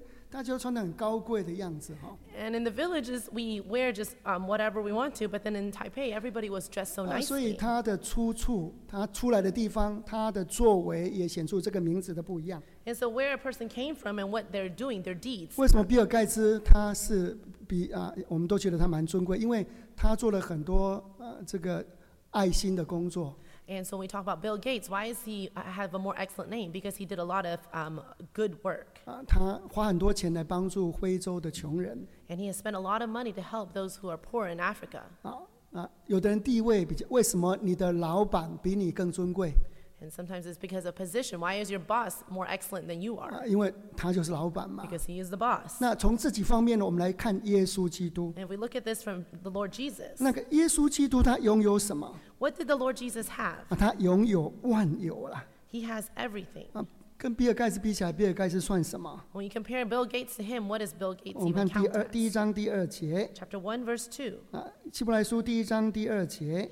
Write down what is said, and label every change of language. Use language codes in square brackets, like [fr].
[zh] 那我们乡下的人都随便穿的台北那个，大家都穿的很高贵的样子哈。 [en] And in the villages, we wear just whatever we want to, but then in Taipei, everybody was dressed so nicely. [zh] 所以他的出处，他出来的地方，他的作为也显出这个名字的不一样。 [en] And so where a person came from and what they're doing, their deeds. [zh] 为什么比尔盖茨他是比我们都觉得他蛮尊贵，因为他做了很多这个爱心的工作。 [en] And so when we talk about Bill Gates, why does he have a more excellent name? Because he did a lot of good work. [zh] 他花很多钱来帮助非洲的穷人。 [en] And he has spent a lot of money to help those who are poor in Africa. [zh] 有的人地位比较, 为什么你的老板比你更尊贵? [en] And sometimes it's because of position. Why is your boss more excellent than you are? [zh] 因为他就是老板嘛。 [en] Because he is the boss. [zh] 那从自己方面呢, 我们来看耶稣基督。 [en] And if we look at this from the Lord Jesus, [zh] 那个耶稣基督他拥有什么? [en] What did the Lord Jesus have? [zh] 他拥有万有了。 [en] He has everything. [zh] 跟比尔盖茨比起来, 比尔盖茨算什么? [en] When you compare Bill Gates to him, what is Bill Gates even count as? [zh] 我们看第一章第二节。 [en] Chapter 1, verse 2. [zh] 希伯来书第一章第二节。